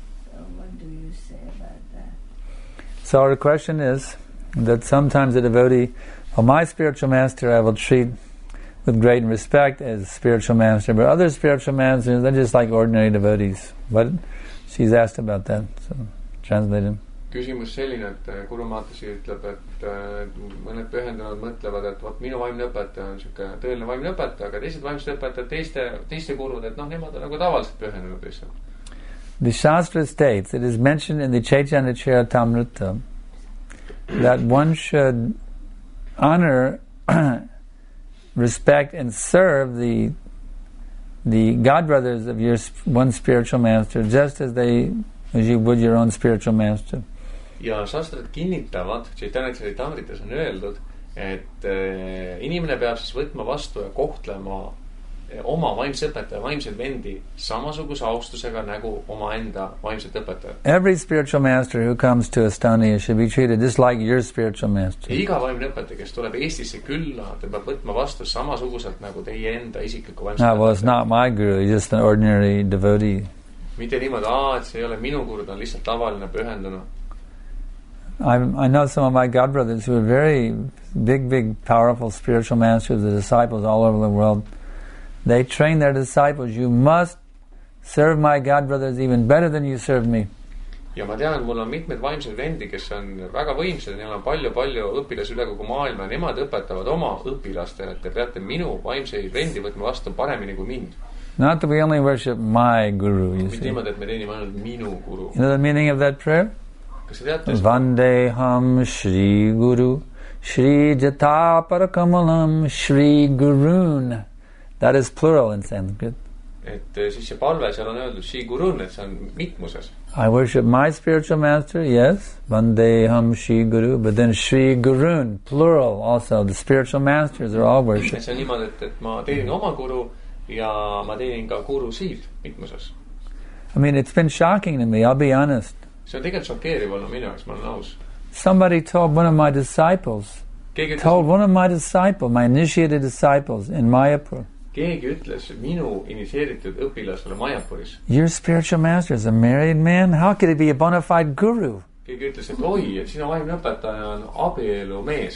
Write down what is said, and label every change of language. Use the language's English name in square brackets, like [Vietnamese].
[English] So what do you say about that? So our question is that sometimes a devotee, well, my spiritual master I will treat with great respect as a spiritual master, but other spiritual masters, they're just like ordinary devotees. But she's asked about that, so translate him. [Estonian] Küsimus selline, et Guru Mahataji ütleb, et mõned pühendunud mõtlevad, et vot minu vaimne õpetaja on selline tõeline vaimne õpetaja, aga teised vaimsed õpetajad teiste kurud, et noh, nemad on nagu tavaliselt pühendunud lihtsalt. [English] The Shastra states, it is mentioned in the Chaitanya Charitamrita that one should honor, respect and serve the godbrothers of your one spiritual master just as they as you would your own spiritual master. [Estonian] Ja Shastrad kinnitavad, Chaitanya Charitamritas on öeldud, et inimene peab siis võtma vastu ja kohtlema oma vaimse õpetaja, vaimse vendi samasuguse austusega nagu oma enda vaimse õpetaja. [English] Every spiritual master who comes to Estonia should be treated just like your spiritual master. [Estonian] Iga vaimne õpetaja, kes tuleb Eestisse külla, ta peab võtma vastu samasuguselt nagu teie enda isikliku vaimse õpetaja. [English] Well, it's not my guru, he's just an ordinary devotee. [Estonian] Mitte niimoodi, et see ei ole minu guru, ta on lihtsalt tavaline pühendunud. [English] I know some of my godbrothers who are very big, powerful spiritual masters, the disciples all over the world. They train their disciples. You must serve my godbrothers even better than you serve me. [Estonian] Ja ma tean, mul on mitmed vaimsed vendi, kes on väga võimsed, neil on palju õpilas üle kogu maailma. Nemad õpetavad oma õpilastele, et te peate minu vaimseid vendi võtma vastu paremini kui mind. [English] Not that we only worship my guru, you see. [Estonian] Mitte, et me teenime ainult minu guru. [English] You know the meaning of that prayer? [Estonian] Kas te teate? [Sanskrit] Vandeham Shri Guru, Shri Jata Parakamalam, Shri Gurun. [English] That is plural in Sanskrit. [Estonian] Et siis see palve seal on öeldud Shri Gurun, et see on mitmuses. [English] I worship my spiritual master, yes, [Sanskrit] Vandeham Shri Guru, [English] but then Shri Gurun, plural also, the spiritual masters are all worshipped. [Estonian] See on niimoodi, et ma teenin oma guru ja ma teenin ka guru siil mitmuses. [English] I mean, it's been shocking to me, I'll be honest. [Estonian] See on tegelikult šokeeriv olnud minu jaoks, ma olen aus. [English] Somebody told one of my disciples, told one of my disciples, my initiated disciples in Mayapur. [Estonian] Keegi ütles minu initiated õpilasele Mayapuris. [English] Your spiritual master is a married man. How could he be a bona fide guru? [Estonian] Keegi ütles, et oi, et sinu vaimne õpetaja on abielu mees.